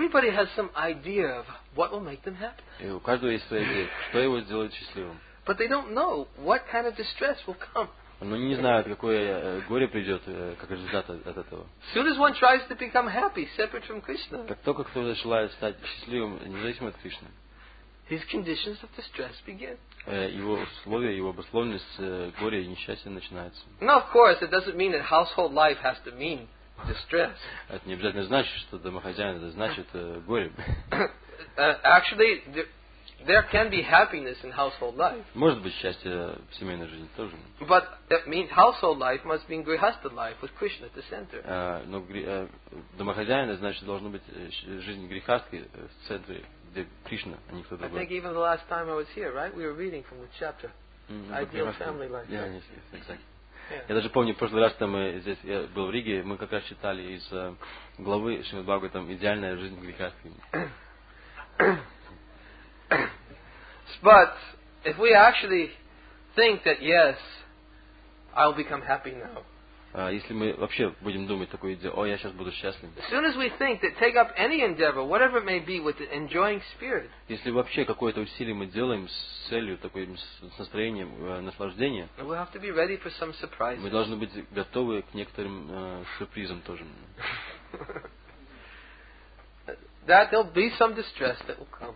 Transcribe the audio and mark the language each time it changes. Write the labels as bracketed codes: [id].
[en] Everybody has some idea of what will make them happy. [ru] И у каждого есть своя идея, что его сделает счастливым. [en] But they don't know what kind of distress will come. [ru] Но они не знают, какое горе придет, как результат от этого. [en] Soon as one tries to become happy, separate from Krishna. [ru] Как только кто-то желает стать счастливым, независимо от Кришны. [en] His conditions of distress begin. [ru] Его условия, его обусловленность горя и несчастья начинается. [en] Now, of course, it doesn't mean that household life has to mean distress. [ru] Это не обязательно значит, что домохозяин, это значит горе. [en] Actually, there can be happiness in household life. [ru] Может быть счастье в семейной жизни тоже. [en] But that means household life must be grihastha life with Krishna at the center. [ru] Но домохозяин, значит, должно быть жизнь грихастхи в центре, где Кришна, а не кто другой. [en] I think even the last time I was here, right? We were reading from the chapter Ideal Family Life. Yeah, yes, exactly. [ru] Я даже помню, в прошлый раз, когда мы здесь, я был в Риге, мы как раз читали из главы Шримад Бхагаватам «Идеальная жизнь грихастхи». [en] But if we actually think that yes, I'll become happy now. [ru] Если мы вообще будем думать такую идею, о, я сейчас буду счастлив. [en] As soon as we think that take up any endeavor, whatever it may be, with the enjoying spirit. [ru] Если вообще какое-то усилие мы делаем с целью, таким с настроением наслаждения. [en] We have to be ready for some surprises. [ru] Мы должны быть готовы к некоторым сюрпризам тоже. [en] That there'll be some distress that will come.